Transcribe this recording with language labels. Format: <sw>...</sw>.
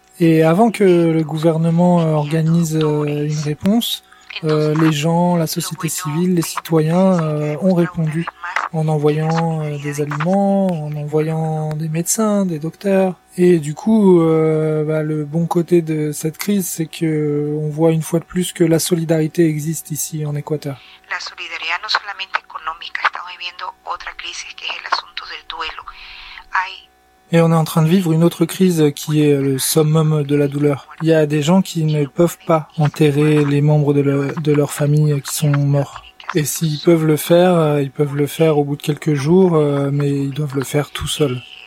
<fr>Et avant que le gouvernement organise une réponse, les gens, la société civile, les citoyens ont répondu en envoyant des aliments, en envoyant des médecins, des docteurs. Et du coup, le bon côté de cette crise, c'est que on voit une fois de plus que la solidarité existe ici en Équateur.</fr> <es>La solidaridad no solamente económica, estamos viviendo otra crisis que es el asunto del duelo.</es> <fr>Et on est en train de vivre une autre crise qui est le summum de la douleur. Il y a des gens qui ne peuvent pas enterrer les membres de leur famille qui sont morts. Et s'ils peuvent le faire, ils peuvent le faire au bout de quelques jours, mais ils doivent le faire tout seuls.</fr>